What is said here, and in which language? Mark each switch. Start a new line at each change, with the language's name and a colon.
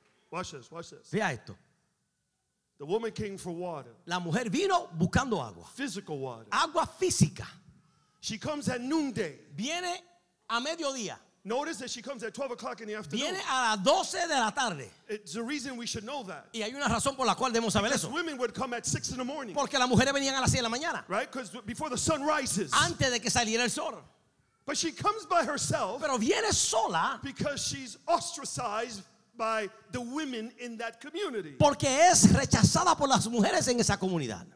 English: Watch this.
Spanish: Vea esto.
English: The woman came for water.
Spanish: La mujer vino buscando agua.
English: Physical water.
Spanish: Agua física.
English: She comes at noonday.
Spanish: Viene a mediodía.
English: Notice that she comes at 12 o'clock in the afternoon.
Spanish: Viene a las 12 de la tarde.
English: It's a reason we should know that.
Spanish: Y hay una razón por la cual debemos saber
English: because
Spanish: eso.
English: Women would come at 6 in the morning.
Spanish: Porque las mujeres venían a las 6 de la mañana.
English: Right? Because before the sun rises.
Spanish: Antes de que saliera el sol.
English: But she comes by herself.
Spanish: Pero viene sola.
English: Because she's ostracized by the women in that community.
Spanish: Porque es rechazada por las mujeres en esa comunidad.